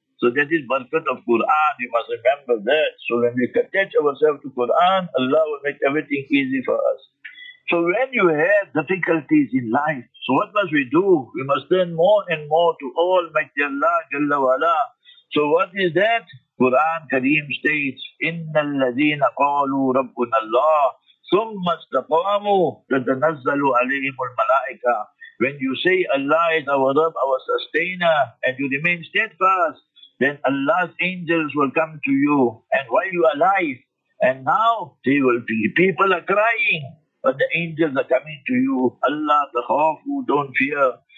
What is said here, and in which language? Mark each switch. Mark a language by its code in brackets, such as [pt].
[en] So that is barakat of Quran, you must remember that. So when we attach ourselves to Quran, Allah will make everything easy for us. So when you have difficulties in life, so what must we do? We must turn more and more to Almighty Allah Jalla Wala. So what is that? Quran Kareem states, [ar] إِنَّ الَّذِينَ قَالُوا رَبُّنَ اللَّهِ ثُمَّ اسْتَقَامُوا تَتَنَزَّلُوا عَلَيْهِمُ الْمَلَائِكَةِ. [en] When you say Allah is our Rabb, our Sustainer, and you remain steadfast, then Allah's angels will come to you. And while you are alive, and now they will be, people are crying, but the angels are coming to you. Allah, the khawfu, don't fear.